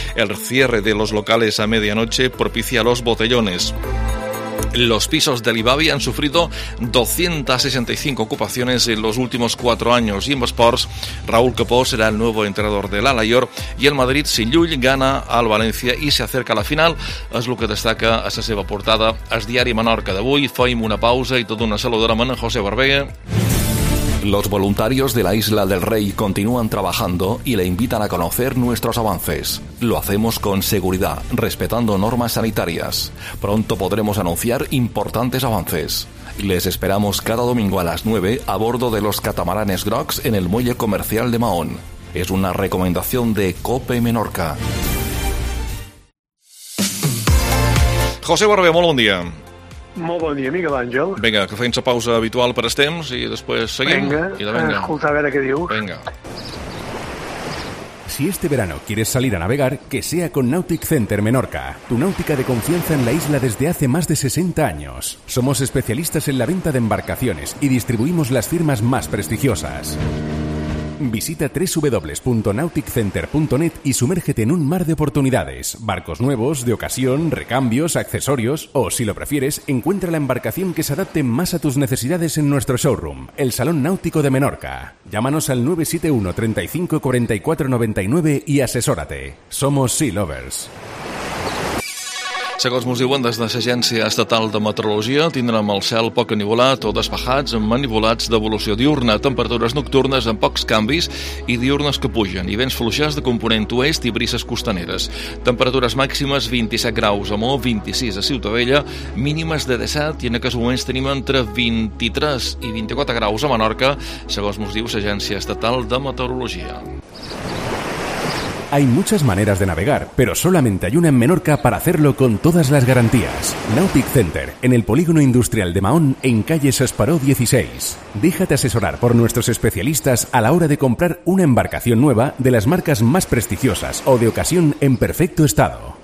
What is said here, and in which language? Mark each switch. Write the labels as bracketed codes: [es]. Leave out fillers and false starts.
[es] El cierre de los locales a medianoche propicia los botellones. Los pisos de Libavi han sufrido 265 ocupaciones en los últimos 4 años. Y en Sports, Raúl Capó será el nuevo entrenador del Alaior. Y el Madrid, sin Llull, gana al Valencia y se acerca a la final. [ca] Es lo que destaca a la seva portada el Diari Menorca d'avui. Faim una pausa i tot una saludora a José Barbegue. [es] Los voluntarios de la Isla del Rey continúan trabajando y le invitan a conocer nuestros avances. Lo hacemos con seguridad, respetando normas sanitarias. Pronto podremos anunciar importantes avances. Les esperamos cada domingo a las 9 a bordo de los catamaranes Grocs en el muelle comercial de Mahón. Es una recomendación de COPE Menorca. [ca] José Barbé, molt bon dia. Molt bon dia, Miquel Àngel. Vinga, que feim la pausa habitual per als temps i després seguim. Vinga, escolta, a veure què dius. Vinga. [es] Si este verano quieres salir a navegar, que sea con Nautic Center Menorca, tu náutica de confianza en la isla desde hace más de 60 años. Somos especialistas en la venta de embarcaciones y distribuimos las firmas más prestigiosas. Visita www.nauticcenter.net y sumérgete en un mar de oportunidades. Barcos nuevos, de ocasión, recambios, accesorios o, si lo prefieres, encuentra la embarcación que se adapte más a tus necesidades en nuestro showroom, el Salón Náutico de Menorca. Llámanos al 971 35 44 99 y asesórate. Somos Sea Lovers. [ca] Segons mos diuen des de l'Agència Estatal de Meteorologia, tindrem el cel poc ennuvolat o despejats amb ennuvolats d'evolució diurna, temperatures nocturnes amb pocs canvis i diurnes que pugen, i vents fluixes de component oest i brises costaneres. Temperatures màximes 27 graus a Mo, 26 a Ciutadella, mínimes de 17, i en aquests moments tenim entre 23 i 24 graus a Menorca, segons mos diu l'Agència Estatal de Meteorologia. [es] Hay muchas maneras de navegar, pero solamente hay una en Menorca para hacerlo con todas las garantías. Nautic Center, en el Polígono Industrial de Mahón, en calle Sasparó 16. Déjate asesorar por nuestros especialistas a la hora de comprar una embarcación nueva de las marcas más prestigiosas o de ocasión en perfecto estado.